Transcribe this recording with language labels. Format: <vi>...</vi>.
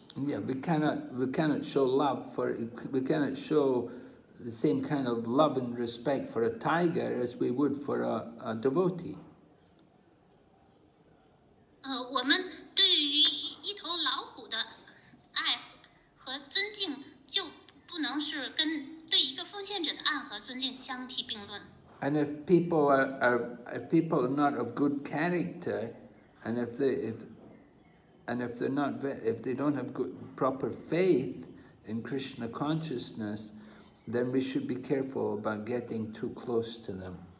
<en>Yeah, we cannot show love for we cannot show the same kind of love and respect for a tiger as we would for a devotee.</en> <zh>我们对于一头老虎的爱和尊敬就不能是跟对一个奉献者的爱和尊敬相提并论。</zh> <en>And if people are not of good character, and if they don't have proper faith in Krishna consciousness, then we should be careful about getting too close to them.</en>